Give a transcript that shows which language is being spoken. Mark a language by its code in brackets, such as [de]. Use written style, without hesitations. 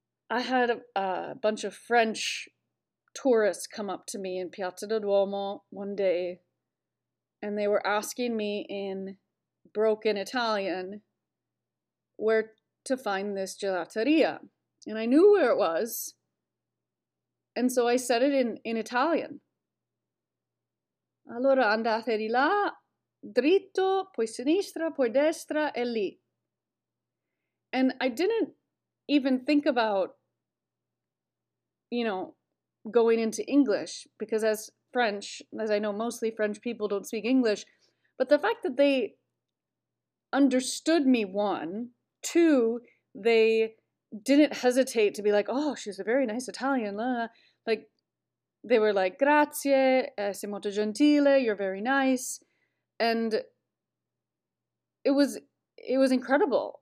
[en] I had a bunch of French tourists come up to me in Piazza del Duomo one day, and they were asking me in broken Italian where to find this gelateria. And I knew where it was, and so I said it in Italian. [it] Allora andate di là, dritto, poi sinistra, poi destra, e lì. [en] And I didn't even think about, you know, going into English, because as French, as I know, mostly French people don't speak English, but the fact that they understood me, one, two, they didn't hesitate to be like, oh, she's a very nice Italian, like, they were like, [it] grazie, sei molto gentile, [en] you're very nice, and it was incredible.